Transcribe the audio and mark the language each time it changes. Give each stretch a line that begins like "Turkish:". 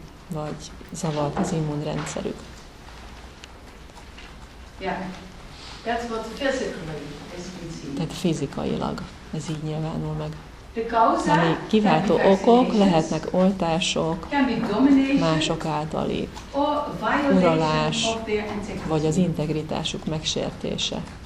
Hungarian: Vagy zavart az immunrendszerük.
English: Yeah. That's what physically is
Hungarian: tehát fizikailag ez így nyilvánul meg. ami kiváltó okok lehetnek oltások mások általi uralás, vagy az integritásuk megsértése.